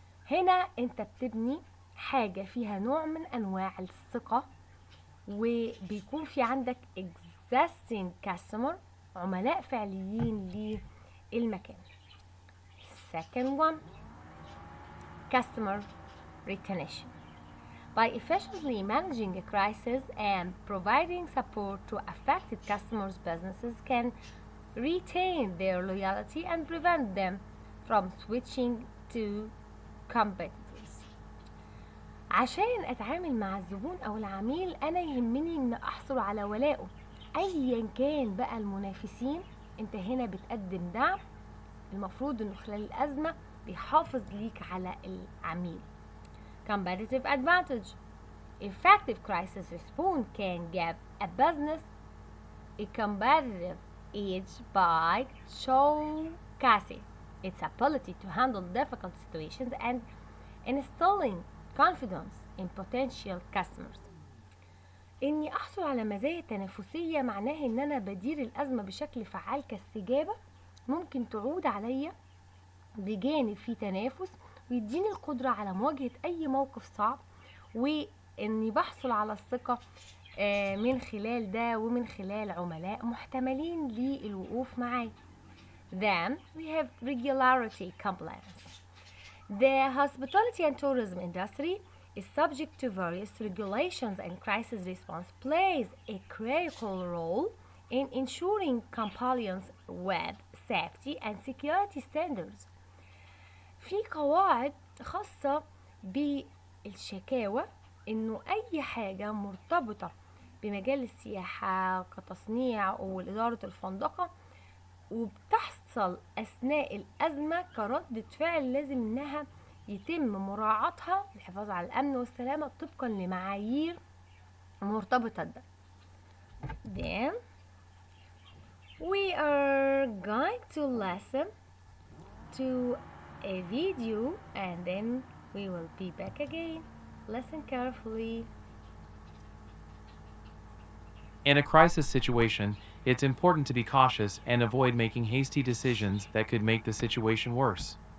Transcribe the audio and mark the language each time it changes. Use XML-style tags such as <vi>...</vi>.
<ar>هنا أنت بتبني حاجة فيها نوع من أنواع الثقة وبيكون في عندك</ar> <en>existing customer،</en> <ar>عملاء فعليين للمكان.</ar> <en>Second one, customer retention. By efficiently managing a crisis and providing support to affected customers, businesses can retain their loyalty and prevent them from switching to competitors.</en> <ar>عشان اتعامل مع الزبون او العميل انا يهمني ان احصل على ولائه ايا كان بقى المنافسين. انت هنا بتقدم دعم المفروض انه خلال الازمه بيحافظ ليك على العميل.</ar> <en>Competitive advantage. Effective crisis response can give a business a competitive edge by showcasing its ability to handle difficult situations and instilling confidence in potential customers.</en> <ar>اني احصل على مزايا تنافسية معناه ان انا بدير الازمة بشكل فعال كاستجابة ممكن تعود عليا بجانب في تنافس ويديني القدرة على مواجهة اي موقف صعب واني بحصل على الثقة من خلال ده ومن خلال عملاء محتملين للوقوف معي.</ar> <en>Then we have regularity compliance. The hospitality and tourism industry is subject to various regulations and crisis response plays a critical role in ensuring compliance with safety and security standards.</en> <ar>في قواعد خاصة بالشكاوى انه اي حاجة مرتبطة بمجال السياحة كتصنيع والإدارة الفندقة وبتحصل اثناء الازمة كردة فعل لازم انها يتم مراعاتها للحفاظ على الامن والسلامة طبقا لمعايير مرتبطة ده.</ar> <en>Then we are going to listen to a video and then we will be back again. Listen carefully. In a crisis situation, it's important to be cautious and avoid making hasty decisions that could make the situation worse.</en>